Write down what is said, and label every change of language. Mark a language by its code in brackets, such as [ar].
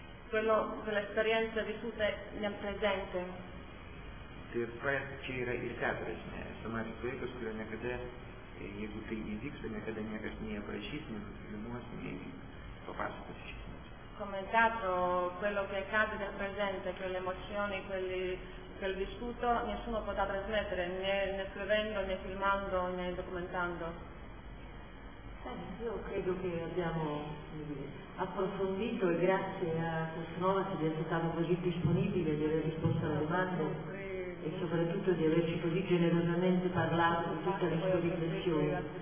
[it] Quello, quell'esperienza vissuta nel presente. [lt] Ir praeitis yra ir teatro esmė. Esamasis laikas, kurio niekada, jeigu tai įvyksta, niekada niekas nei aprašys, nei filmuos, nei papasakos iš esmės. [it] Commentato quello che accade nel presente, quelle emozioni, quel vissuto, nessuno potrà trasmettere, né scrivendo, né filmando, né documentando. Io credo che abbiamo approfondito e grazie a Costanovati di essere stato così disponibile, di aver risposto alla domanda e soprattutto di averci così generosamente parlato di tutte le sue riflessioni.